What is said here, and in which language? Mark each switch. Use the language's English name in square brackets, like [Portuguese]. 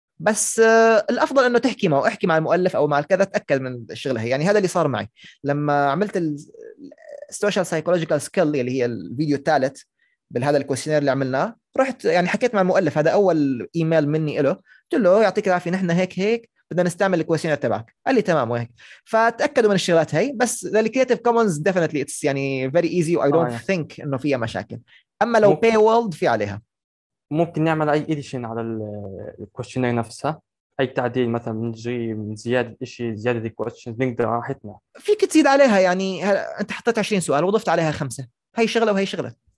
[Arabic] بس الأفضل أنه تحكي معه، احكي مع المؤلف أو مع الكذا تأكد من الشغلة هاي. يعني هذا اللي صار معي لما عملت السوشيال سايكولوجيكال سكيل اللي هي الفيديو الثالث بهذا الكوستيناري اللي عملناه. رحت يعني حكيت مع المؤلف، هذا أول إيميل مني له، قلت له يعطيك العافية نحن هيك هيك بدنا نستعمل الكوستيناري تبعك. قال لي تمام وهيك. فتأكدوا من الشغلات هاي. بس الكرياتيف كومنز [English] definitely it's [Arabic] يعني [English] very easy and I don't think [Arabic] إنه فيها مشاكل. أما لو pay world في عليها. ممكن نعمل أي إديشن على الكوستيناري نفسها، أي تعديل مثلا من زيادة إشي زيادة الكوستيناري نقدر راحتنا. فيك تزيد عليها يعني أنت حطيت 20 سؤال وضفت عليها 5، هاي شغلة وهي شغلة.